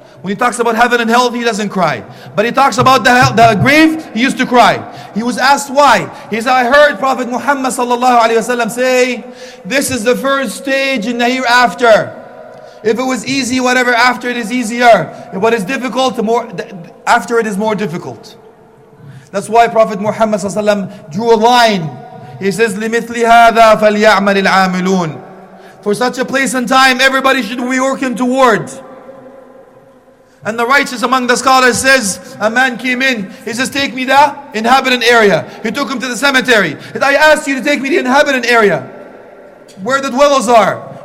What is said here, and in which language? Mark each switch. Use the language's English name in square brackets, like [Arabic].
[English] When he talks about heaven and hell, he doesn't cry. But he talks about the grave, he used to cry. He was asked why. He said, I heard Prophet Muhammad sallallahu alayhi wa sallam say, this is the first stage in the hereafter. If it was easy, whatever after it is easier. What is difficult, the more after it is more difficult. That's why Prophet Muhammad sallallahu alayhi wa sallam drew a line. He says, [Arabic] لِمِثْلِ هَذَا فَلْيَعْمَلِ الْعَامِلُونَ. [English] For such a place and time, everybody should be working toward. And the righteous among the scholars says, a man came in. He says, take me to the inhabited area. He took him to the cemetery. He said, I asked you to take me to the inhabited area, where the dwellers are.